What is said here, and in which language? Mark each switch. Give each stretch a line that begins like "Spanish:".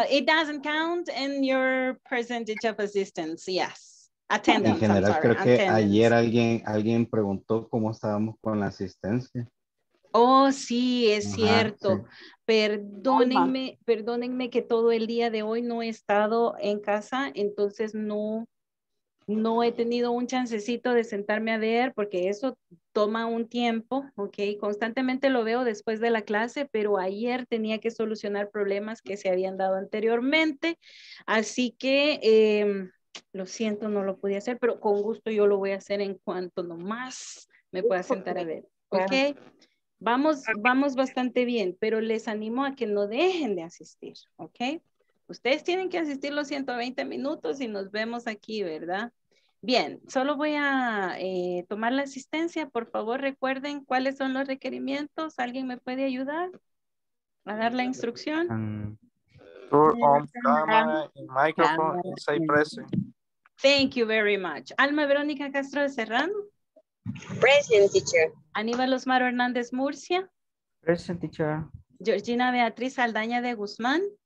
English: It doesn't count in your percentage of assistance. Yes. Attendance.
Spanish: En general, creo que ayer alguien preguntó cómo estábamos con la asistencia. Oh, sí, es cierto. Perdónenme que todo el día de hoy no he estado en casa, entonces no he tenido un chancecito de sentarme a ver, porque eso toma un tiempo, ¿ok? Constantemente lo veo después de la clase, pero ayer tenía que solucionar problemas que se habían dado anteriormente, así que lo siento, no lo pude hacer, pero con gusto yo lo voy a hacer en cuanto nomás me pueda sentar a ver, ¿ok? Claro. Vamos bastante bien, pero les animo a que no dejen de asistir, ¿ok? Ustedes tienen que asistir los 120 minutos y nos vemos aquí, ¿verdad? Bien, solo voy a tomar la asistencia. Por favor, recuerden cuáles son los requerimientos. ¿Alguien me puede ayudar a dar la instrucción?
English: Turn on camera and microphone and say present. Thank you very much. Alma Verónica Castro de Serrano. Present, teacher. Aníbal Osmar Hernández Murcia. Present, teacher. Georgina Beatriz Aldaña de Guzmán.